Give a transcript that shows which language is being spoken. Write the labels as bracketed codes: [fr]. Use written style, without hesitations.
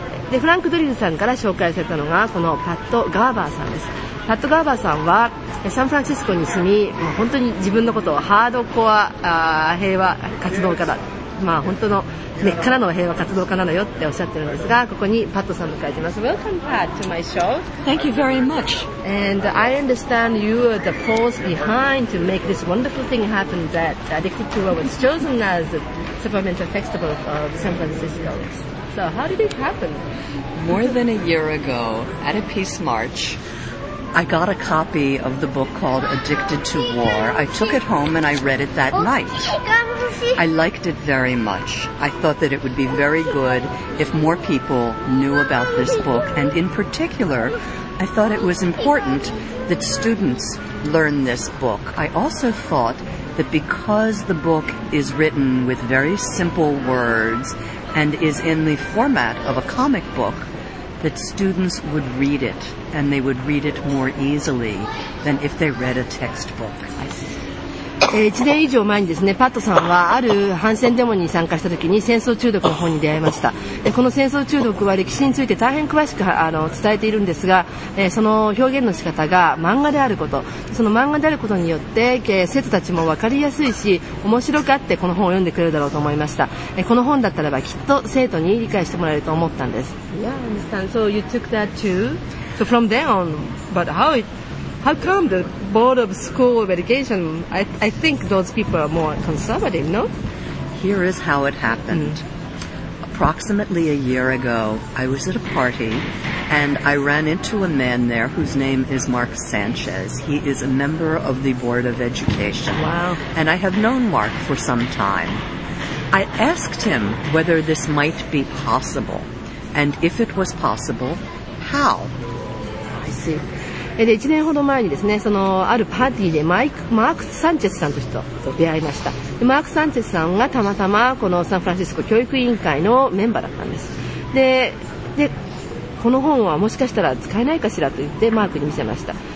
[ja] でフランク・ドリルさんから紹介されたのがこのパット・ガーバーさんです。パット・ガーバーさんはサンフランシスコに住み、本当に自分のことをハードコア平和活動家だ、本当の根っからの平和活動家なのよっておっしゃってるんですが、ここにパットさんを迎えています。 [en] Welcome Pat to my show. Thank you very much. And I understand you are the force behind to make this wonderful thing happen that Addicted to Love was chosen as a supplemental festival of San Francisco. So how did it happen? More than a year ago, at a peace march, I got a copy of the book called Addicted to War. I took it home and I read it that night. I liked it very much. I thought that it would be very good if more people knew about this book. And in particular, I thought it was important that students learn this book. I also thought that because the book is written with very simple words and is in the format of a comic book, that students would read it, and they would read it more easily than if they read a textbook. [ja] 1年以上前にですね、パットさんはある反戦デモに参加した時に戦争中毒の本に出会いました。この戦争中毒は歴史について大変詳しく伝えているんですが、その表現の仕方が漫画であること、その漫画であることによって生徒たちも分かりやすいし面白くあってこの本を読んでくれるだろうと思いました。この本だったらばきっと生徒に理解してもらえると思ったんです。 [en] Yeah, I understand. So you took that too. So from then on, but how come the board of school of education, I think those people are more conservative, no? Here is how it happened. Mm. Approximately a year ago, I was at a party, and I ran into a man there whose name is Mark Sanchez. He is a member of the board of education. Wow. And I have known Mark for some time. I asked him whether this might be possible, and if it was possible, how? I see. [ja] で1年ほど前にですね、そのあるパーティーでマーク・サンチェスさんと出会いました。でマーク・サンチェスさんがたまたまこのサンフランシスコ教育委員会のメンバーだったんです。でこの本はもしかしたら使えないかしらと言ってマークに見せました。